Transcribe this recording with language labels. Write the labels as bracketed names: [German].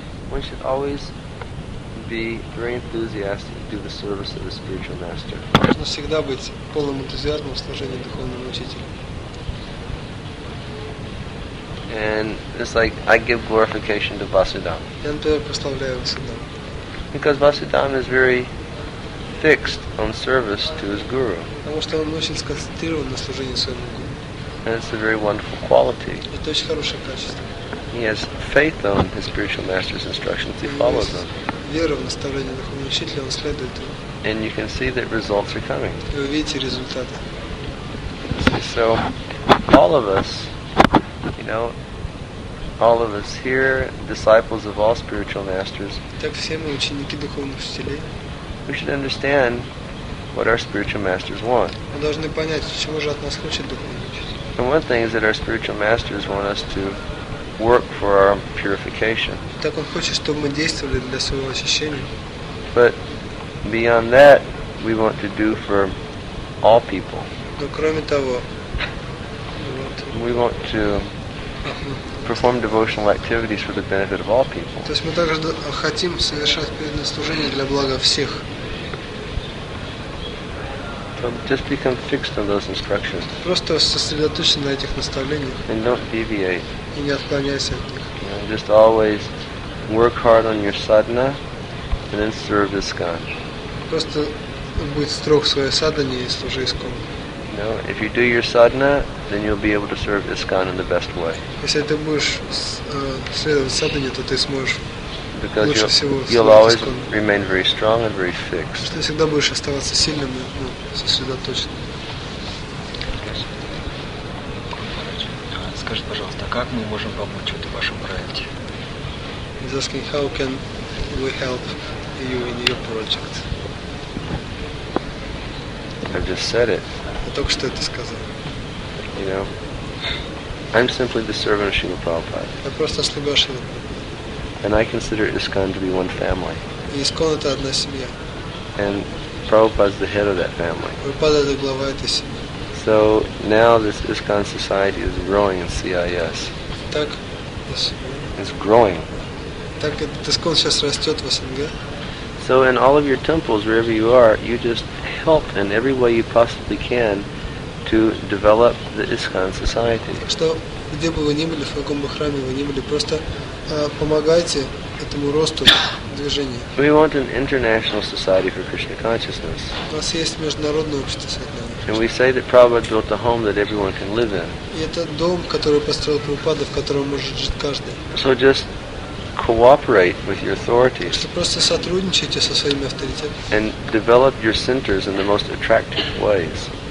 [English] one should always be very enthusiastic to do the service of the spiritual master. [Russian] Нужно всегда быть полным энтузиазмом в служении духовному учителю. [English] And it's like I give glorification to Vasudam. [Russian] Я тоже прославляю Васудам. [English] Because Vasudam is very fixed on service to his guru. [Russian] Потому что он очень сконцентрирован на служении своему гуру. [English] And it's a very wonderful quality. [Russian] Это очень хорошее качество. [English] He has faith on his spiritual master's instructions. He follows them. [Russian] Вера в наставление духовного учителя, он следует ему. [English] And you can see that results are coming. [Russian] Вы видите результаты. [English] So, all of us, you know, all of us here, disciples of all spiritual masters. [Russian] Так все мы ученики духовных учителей. [English] We should understand what our spiritual masters want. [Russian] Мы должны понять, чего же от нас хочет духовный учитель. [English] And one thing is that our spiritual masters want us to work for our purification. [Russian] Так он хочет, чтобы мы действовали для своего очищения. [English] But beyond that, we want to do for all people. [Russian] Но кроме того, [English] we want to perform devotional activities for the benefit of all people. [Russian] То есть мы также хотим совершать преданное служение для блага всех. [English] So just become fixed on those instructions. [Russian] Просто сосредоточься на этих наставлениях. [English] And don't deviate. [Russian] И не отклоняйся от них. [English] Just always work hard on your sadhana, and then serve ISKCON. [Russian] Просто будь строг в своей садхане и служи ISKCON. [English] No, if you do your sadhana, then you'll be able to serve ISKCON in the best way. [Russian] Если ты будешь следовать садхане, то ты сможешь. [English] Because you'll always remain very strong and very fixed. [Russian] Что всегда будешь оставаться сильным, сосредоточенным. Скажи, пожалуйста, как мы можем помочь в этом вашем проекте? [English] He's asking how can we help you in your project. I just said it. [Russian] Я только что это сказал. [English] You know, I'm simply the servant of Srila Prabhupada. [Russian] Я просто слуга Шрилы. [English] And I consider ISKCON to be one family. [Russian] ISKCON — это одна семья. [English] And Prabhupada is the head of that family. [Russian] Prabhupada — это глава этой семьи. [English] So now this ISKCON society is growing in CIS. [Russian] Так. [English] It's growing. [Russian] Так ISKCON сейчас растет в СНГ. [English] So in all of your temples, wherever you are, you just help in every way you possibly can to develop the ISKCON society. [Russian] Что где бы вы ни были, в каком бы храме вы ни были, просто помогайте этому росту движения. [English] We want an international society for Krishna consciousness. [Russian] У нас есть международное общество сознания. [English] And we say that Prabhupada built a home that everyone can live in. [Russian] И это дом, который построил Прабхупада, в котором может жить каждый. [English] So just cooperate with your authorities. [Russian] Так что просто сотрудничайте со своими авторитетами. [English] And develop your centers in the most attractive ways.